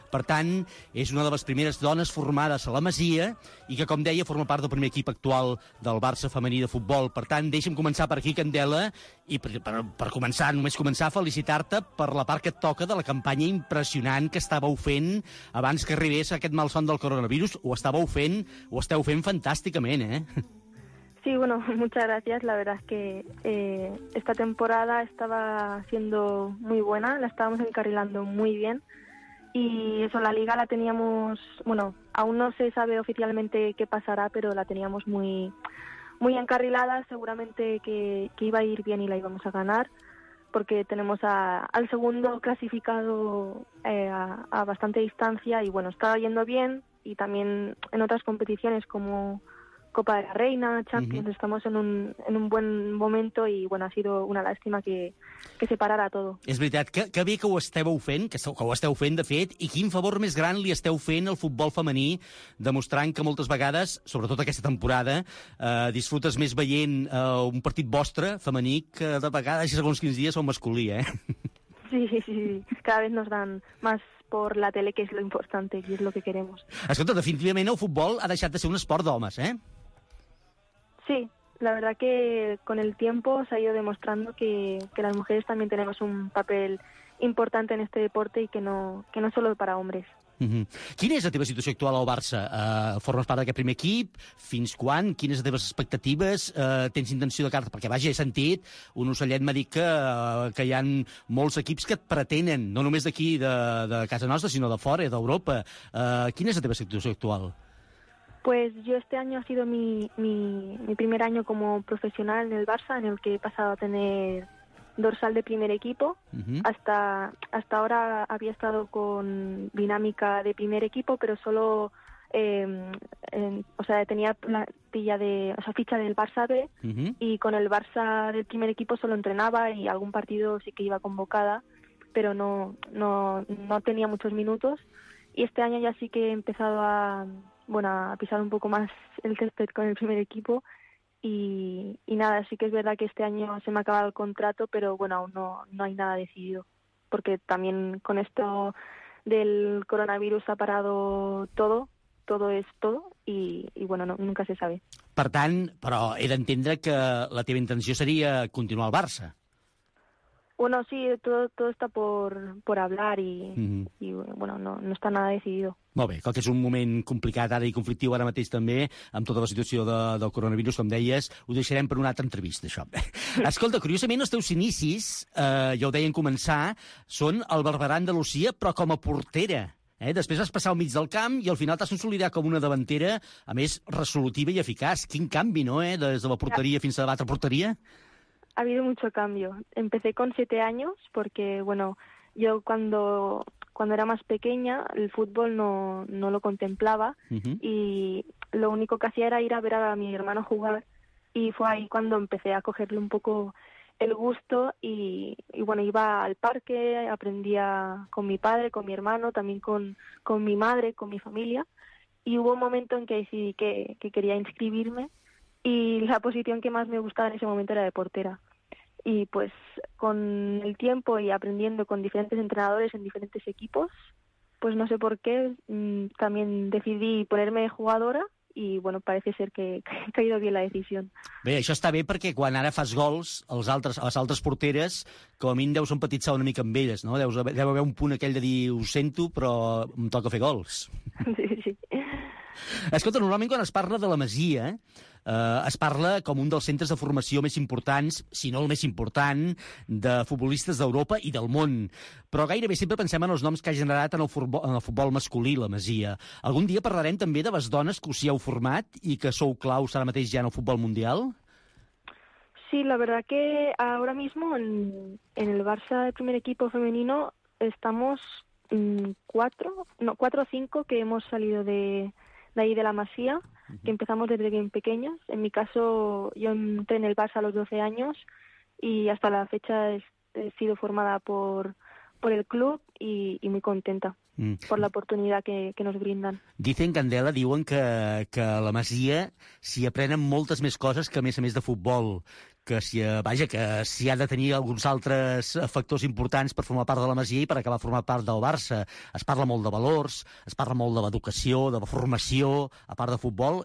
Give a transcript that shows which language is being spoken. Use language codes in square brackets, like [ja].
[ca] Per tant, és una de les primeres dones formades a la Masia i que, com deia, forma part del primer equip actual del Barça femení de futbol. Per tant, deixa'm començar per aquí, Candela, i per començar, felicitar-te per la part que et toca de la campanya impressionant que estàveu fent abans que arribés aquest malson del coronavirus. Ho esteu fent fantàsticament, [es] Sí, bueno, muchas gracias. La verdad es que esta temporada estaba siendo muy buena, la estábamos encarrilando muy bien. Y eso, la liga la teníamos, bueno, aún no se sabe oficialmente qué pasará, pero la teníamos muy, muy encarrilada, seguramente que iba a ir bien y la íbamos a ganar, porque tenemos al segundo clasificado a bastante distancia y bueno, estaba yendo bien y también en otras competiciones como Copa de la Reina, Champions, uh-huh. Estamos en un buen momento y bueno, ha sido una lástima que se parara todo. [ca] És veritat, que bé que ho esteu fent, que ho esteu fent, de fet, i quin favor més gran li esteu fent al futbol femení, demostrant que moltes vegades, sobretot aquesta temporada, disfrutes més veient un partit vostre femení que de vegades, segons quins dies, el masculí, [es] Sí, cada vez nos dan más por la tele, que es lo importante y es lo que queremos. [ca] Escolta, definitivament el futbol ha deixat de ser un esport d'homes, [es] Sí, la verdad que con el tiempo se ha ido demostrando que las mujeres también tenemos un papel importante en este deporte y que no solo para hombres. [ca] Quina és la teva situació actual al Barça? Formes part d'aquest primer equip? Fins quan? Quines les teves expectatives? Tens intenció de carta? Perquè, vaja, he sentit, un ocellet m'ha dit que hi ha molts equips que et pretenen, no només d'aquí, de casa nostra, sinó de fora, d'Europa. Quina és la teva situació actual? [es] Pues yo este año ha sido mi primer año como profesional en el Barça, en el que he pasado a tener dorsal de primer equipo. Uh-huh. Hasta ahora había estado con dinámica de primer equipo, pero solo tenía plantilla de, o sea, ficha del Barça B. Uh-huh. Y con el Barça del primer equipo solo entrenaba y algún partido sí que iba convocada, pero no tenía muchos minutos. Y este año ya sí que he empezado a pisar un poco más el césped con el primer equipo. Y nada, sí que es verdad que este año se me ha acabado el contrato, pero bueno, aún no hay nada decidido, porque también con esto del coronavirus ha parado todo, todo es todo, y bueno, no, nunca se sabe. [ca] Per tant, però he d'entendre que la teva intenció seria continuar al Barça. [es] Bueno, sí, todo está por hablar y, uh-huh. y bueno, no está nada decidido. [ca] Molt bé, com que és un moment complicat ara i conflictiu ara mateix també, amb tota la situació del coronavirus, com deies, ho deixarem per una altra entrevista, això. Escolta, curiosament, els teus inicis, ja ho deien començar, són el Barberà Andalusia, però com a portera. Després vas passar al mig del camp i al final t'has consolidat com una davantera, a més, resolutiva i eficaç. Quin canvi, no?, des de la porteria fins a l'altra porteria. [es] Ha habido mucho cambio. Empecé con 7 años porque, bueno, yo cuando era más pequeña el fútbol no lo contemplaba uh-huh. y lo único que hacía era ir a ver a mi hermano jugar y fue ahí cuando empecé a cogerle un poco el gusto y bueno, iba al parque, aprendía con mi padre, con mi hermano, también con mi madre, con mi familia y hubo un momento en que decidí que quería inscribirme. Y la posición que más me gustaba en ese momento era de portera. Y pues con el tiempo y aprendiendo con diferentes entrenadores en diferentes equipos, pues no sé por qué, también decidí ponerme jugadora y bueno, parece ser que ha ido bien la decisión. [ca] Bé, això està bé perquè quan ara fas gols, les altres porteres, com a mínim deus empatitzar una mica amb elles, no? Deu haver un punt aquell de dir, ho sento, però em toca fer gols. [es] Sí, sí. [ca] Escolta, normalment quan es parla de la Masia, es parla com un dels centres de formació més importants, si no el més important, de futbolistes d'Europa i del món. Però gairebé sempre pensem en els noms que ha generat en el futbol masculí, la Masia. Algun dia parlarem també de les dones que us hi heu format i que sou claus ara mateix ja en el futbol mundial? [es] Sí, la verdad que ahora mismo en el Barça de primer equipo femenino estamos cuatro o cinco que hemos salido de ahí de la Masia, que empezamos desde bien pequeñas. En mi caso, yo entré en el Barça a los 12 años y hasta la fecha he sido formada por el club y muy contenta por la oportunidad que nos brindan. Dicen, [ca] Candela, diuen que a la Masia s'hi aprenen moltes més coses que a més de futbol. Que si, vaja, que s'hi ha de tenir alguns altres factors importants per formar part de la Masia i per acabar formant part del Barça. Es parla molt de valors, es parla molt de l'educació, de la formació, a part de futbol.